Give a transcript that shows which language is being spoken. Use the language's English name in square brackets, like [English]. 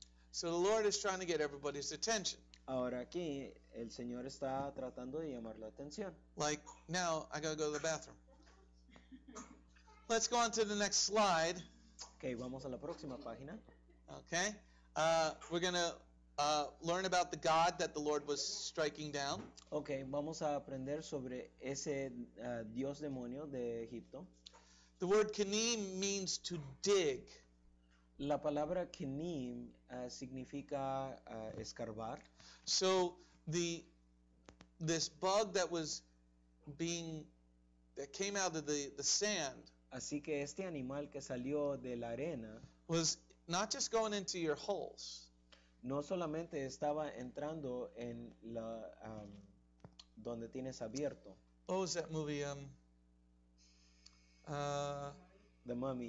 [English] So the Lord is trying to get everybody's attention. [Spanish] Ahora aquí, el Señor está tratando de llamar la atención. [English] Like, now I gotta go to the bathroom. Let's go on to the next slide. [Spanish] Okay, vamos a la próxima página. [English] Okay. We're gonna learn about the God that the Lord was striking down. [Spanish] Okay, vamos a aprender sobre ese Dios demonio de Egipto. [English] The word kinim means to dig. [Spanish] La palabra kinim significa escarbar. [English] So this bug that was being that came out of the sand. [Spanish] Así que este animal que salió de la arena [English] was not just going into your holes. [Spanish] No solamente estaba entrando en la donde tienes abierto. [English] What was that movie? The Mummy.